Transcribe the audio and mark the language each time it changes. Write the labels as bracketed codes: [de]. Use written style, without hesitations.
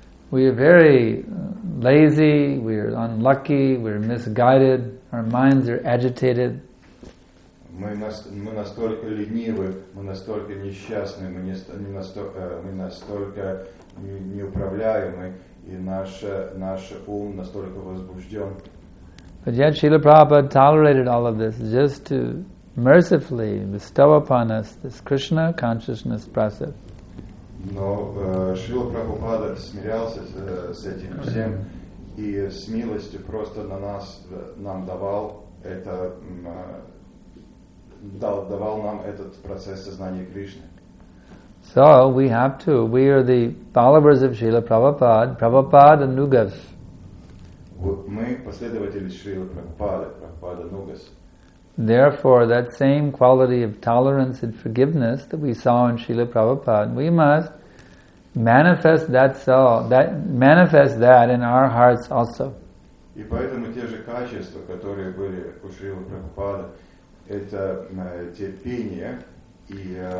[en] We are very lazy, we are unlucky, we are misguided, our minds are agitated. [ru] Мы настолько ленивы, мы настолько несчастны, мы настолько неуправляемы, и наш ум настолько возбужден. [en] But yet Srila Prabhupada tolerated all of this just to mercifully bestow upon us this Krishna consciousness process. [ru] Но Шрила Прабхупада смирялся с этим всем и с милостью просто нам давал это давал нам этот процесс сознания Кришны. [en] So we have to. We are the followers of Srila Prabhupada, Prabhupada Nugas. [ru] Мы последователи Шрилы Прабхупады, Прабхупада Нугас. [en] Therefore, that same quality of tolerance and forgiveness that we saw in Srila Prabhupada, we must manifest that soul, that manifest that in our hearts also. [ru] И поэтому те же качества, которые были у Шрилы Прабхупады, это терпение и